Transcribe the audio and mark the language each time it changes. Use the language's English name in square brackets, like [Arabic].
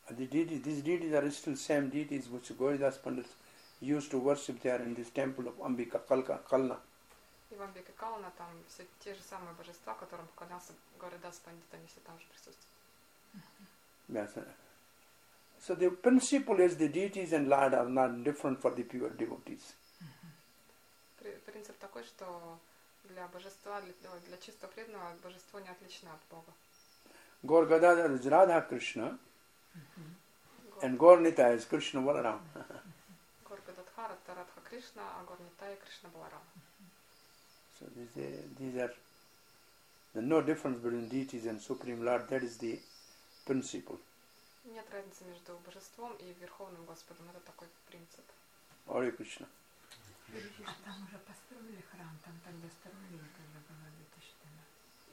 [English] These deities are still same deities which Gaur Gadadhara Pandita. Used to worship there in this temple of Ambika Kalna. [Russian] И в Амбике Кална там все те же самые божества, которым поклонялся Гаридас Пандит, они все там же присутствуют. [English] Yes. So the principle is the deities and Lord are not different for the pure devotees. [Russian] Принцип такой, что для божества, для чисто преданного божество не отлично от Бога. [English] Gaur Gadadhara is Radha Krishna, and Gaur Nitya is Krishna Balaram. [Russian] Радха Кришна, а Гаур Нитая Кришна Баларама. [English] So these are the no difference between deities and Supreme Lord. That is the principle. [Russian] Нет разницы между Божеством и Верховным Господом. Это такой принцип. [Sanskrit] Hare Krishna. [Russian] А там уже построили храм, там тогда строили, когда было 2000.